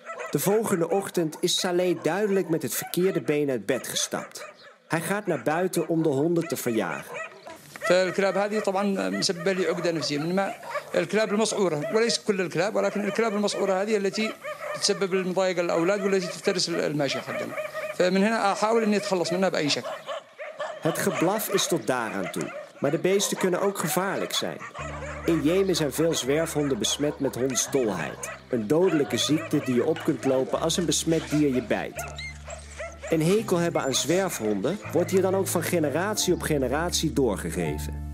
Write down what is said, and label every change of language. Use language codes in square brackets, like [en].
[nl] De volgende ochtend is Saleh duidelijk met het verkeerde been uit bed gestapt. Hij gaat naar buiten om de honden te verjagen. [ar] الكلاب هذه طبعا مسببه لي عقده نفسيه من ما الكلاب المسعوره وليس كل الكلاب ولكن الكلاب المسعوره هذه التي تسبب المضايق للاولاد والتي تفترس الماشيه خدنا فمن هنا احاول اني اتخلص منها باي شكل. [nl] Het geblaf is tot daaraan toe, maar de beesten kunnen ook gevaarlijk zijn. In Jemen zijn veel zwerfhonden besmet met hondsdolheid, een dodelijke ziekte die je op kunt lopen als een besmet dier je bijt. Een hekel hebben aan zwerfhonden wordt hier dan ook van generatie op generatie doorgegeven.